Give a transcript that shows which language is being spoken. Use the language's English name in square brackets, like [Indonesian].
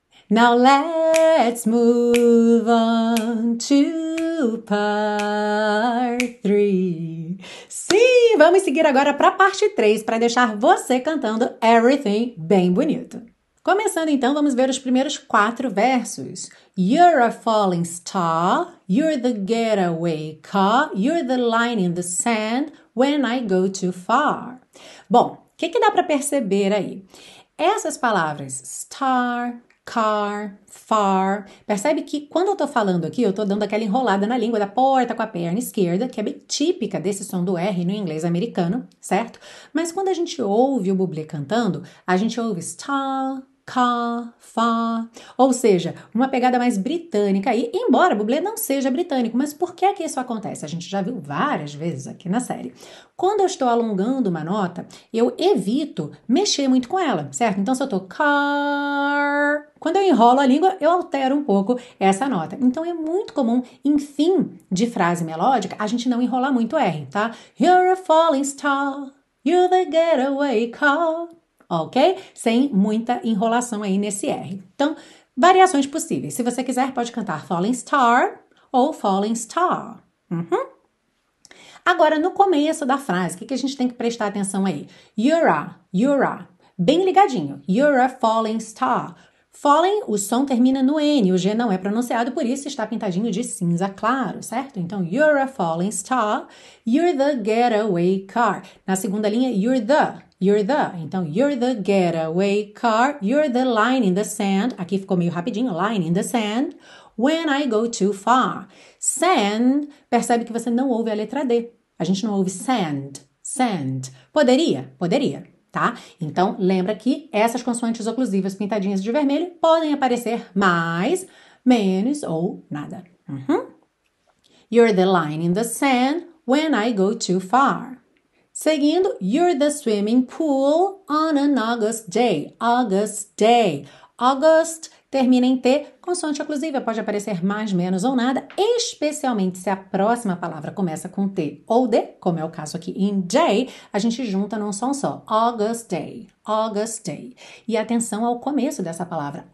[English] Now let's move on to part 3. [Portuguese] Sim, vamos seguir agora para a parte 3 para deixar você cantando Everything bem bonito. Começando então, vamos ver os primeiros 4 versos. [English] You're a falling star, you're the getaway car, you're the line in the sand when I go too far. [Portuguese] Bom, o que dá para perceber aí? Essas palavras, star, car, far, percebe que quando eu tô falando aqui, eu tô dando aquela enrolada na língua da porta com a perna esquerda, que é bem típica desse som do R no inglês americano, certo? Mas quando a gente ouve o bublé cantando, a gente ouve star, car, far, ou seja, uma pegada mais britânica aí, embora o bublé não seja britânico, mas por que é que isso acontece? A gente já viu várias vezes aqui na série. Quando eu estou alongando uma nota, eu evito mexer muito com ela, certo? Então, se eu estou car, quando eu enrolo a língua, eu altero um pouco essa nota. Então, é muito comum, em fim de frase melódica, a gente não enrolar muito R, tá? [English] You're a falling star, you're the getaway car, ok? [Portuguese] Sem muita enrolação aí nesse R. Então, variações possíveis. Se você quiser, pode cantar falling star ou falling star. Uhum. Agora, no começo da frase, o que a gente tem que prestar atenção aí? [English] You're a, [Portuguese] bem ligadinho, [English] you're a falling star. [Portuguese] Falling, o som termina no N, o G não é pronunciado, por isso está pintadinho de cinza claro, certo? Então, [English] you're a falling star, you're the getaway car. [Portuguese] Na segunda linha, [English] you're the, [Portuguese] então, [English] you're the getaway car, you're the line in the sand, [Portuguese] aqui ficou meio rapidinho, [English] line in the sand, when I go too far. [Portuguese] Sand, percebe que você não ouve a letra D. A gente não ouve sand. Poderia, tá? Então, lembra que essas consoantes oclusivas pintadinhas de vermelho podem aparecer mais, menos ou nada. Uhum. [English] You're the line in the sand when I go too far. [Portuguese] Seguindo, [English] you're the swimming pool on an August day. August, [Portuguese] termina em T, Consoante oclusiva pode aparecer mais, menos ou nada, especialmente se a próxima palavra começa com T ou D, como é o caso aqui em day, a gente junta num som só. [English] August day, August day. [Portuguese] E atenção ao começo dessa palavra.